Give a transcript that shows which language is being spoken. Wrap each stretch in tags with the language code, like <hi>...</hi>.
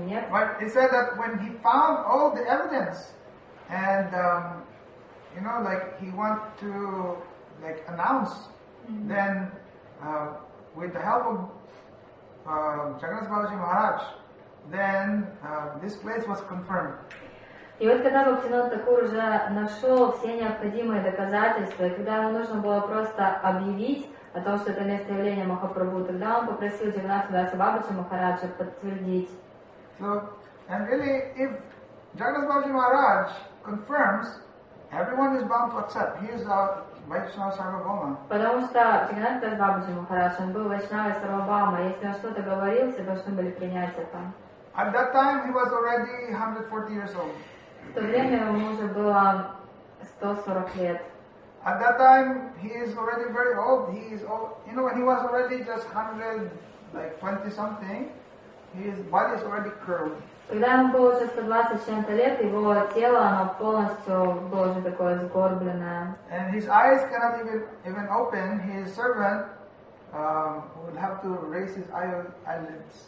<en>But he said that when he found all the evidence and you know, like he want to like announce, then with the help of Jagannath Babaji Maharaj, then this place was confirmed.</en> <ru>И вот когда Бхактивинода Такур уже нашел все необходимые доказательства, и когда ему нужно было просто объявить о том, что это место явления Махапрабху, тогда он попросил Джаганнатха Даса Бабаджи Махараджа подтвердить.</ru> <en>So, and really, if Jagannath Babaji Maharaj confirms, everyone is bound to accept. He is a Vaishnava Sarvabhauma.</en> <ru>Потому что Джаганнатха Даса Бабаджи Махарадж, он был Вайшнава Сарвабхаума. Если он что-то говорил, все должны были принять это.</ru> <en>At that time, he was already 140 years old.</en> <ru>В то время ему уже было 140 лет.</ru> <en>At that time, he is already very old. He is old. You know, when he was already just 120 something, his body is already curved.</en> <ru>Когда ему было уже 120 чем-то лет, его тело, оно полностью было уже такое сгорбленное.</ru> <en>And his eyes cannot even open. His servant would have to raise his eyelids.</en>